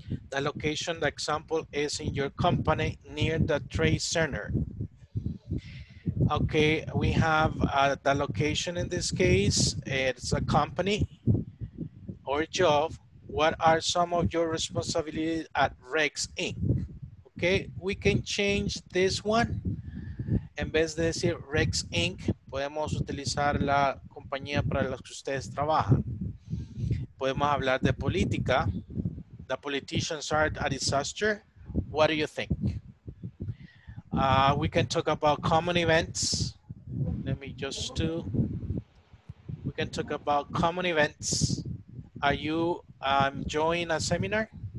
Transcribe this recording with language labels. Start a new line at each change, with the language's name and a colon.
English: The location, the example is in your company near the trade center. Okay, we have the location in this case, it's a company or a job. What are some of your responsibilities at Rex Inc? Okay, we can change this one.
Spanish: En vez de decir Rex Inc, podemos utilizar la compañía para la que ustedes trabajan. Podemos hablar de política.
English: The politicians are a disaster. What do you think? We can talk about common events. Let me just do. We can talk about common events. Are you enjoying a seminar?